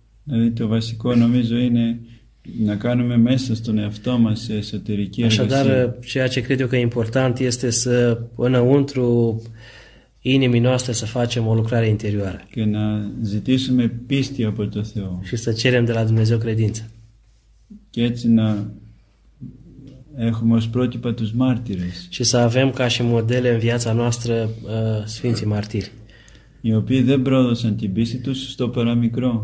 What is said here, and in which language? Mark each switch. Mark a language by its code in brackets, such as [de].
[el] Deci, το βασικό νομίζω είναι να κάνουμε μέσα στον εαυτό μας εσωτερική εργασία. [ro] Așadar, ceea ce cred eu că e important este să înăuntru inimii noastre să facem o lucrare interioară. [el] Και να ζητήσουμε πίστη από το Θεό. [ro] Și să cerem de la Dumnezeu credință. [el] Και έτσι να έχουμε ως πρότυπα τους μάρτυρες. [ro] Și să avem ca și modele în viața noastră Sfinții Μαρτύροι. [el] Οι οποίοι δεν πρόδωσαν την πίστη τους στο παραμικρό.